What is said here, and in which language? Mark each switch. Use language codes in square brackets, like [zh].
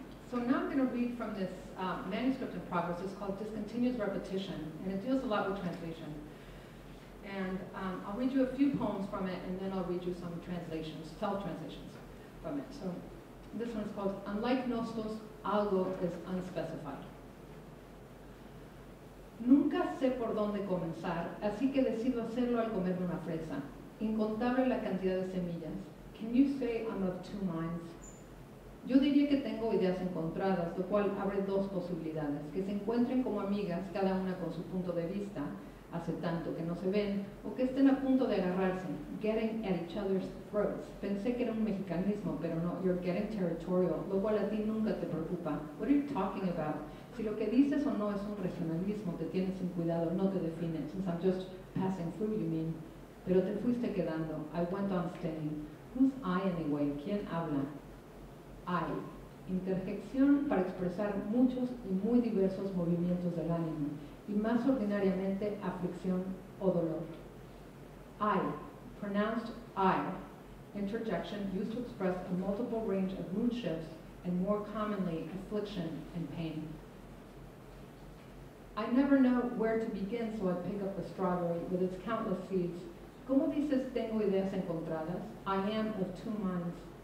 [en] So now I'm going to read from this manuscript in progress. It's called Discontinuous Repetition, and it deals a lot with translation. And I'll read you a few poems from it, and then I'll read you some translations, self-translations from it. So this one's called Unlike Nostos, Algo is Unspecified. [es] Nunca sé por dónde comenzar, así que decido hacerlo al comerme una fresa. Incontable la cantidad de semillas. [en] Can you say I'm of two minds? [es] Yo diría que tengo ideas encontradas, lo cual abre dos posibilidades, que se encuentren como amigas, cada una con su punto de vista, hace tanto que no se ven, o que estén a punto de agarrarse, [en] getting at each other's throats. [es] Pensé que era un mexicanismo, pero no, [en] you're getting territorial, [es] lo cual a ti nunca te preocupa. [en] What are you talking about? [es] Si lo que dices o no es un regionalismo, te tienes sin cuidado, no te define, [en] since I'm just passing through, you mean. [es] Pero te fuiste quedando, [en] I went on staying. Who's I anyway? [es] ¿Quién habla? Hay interjección para expresar muchos y muy diversos movimientos del ánimo, y más ordinariamente aflicción o dolor. [en] I, pronounced I, interjection used to express a multiple range of mood shifts and more commonly affliction and pain. I never know where to begin, so I pick up the strawberry with its countless seeds. [es] ¿Cómo dices tengo ideas encontradas? [en] I am of two minds.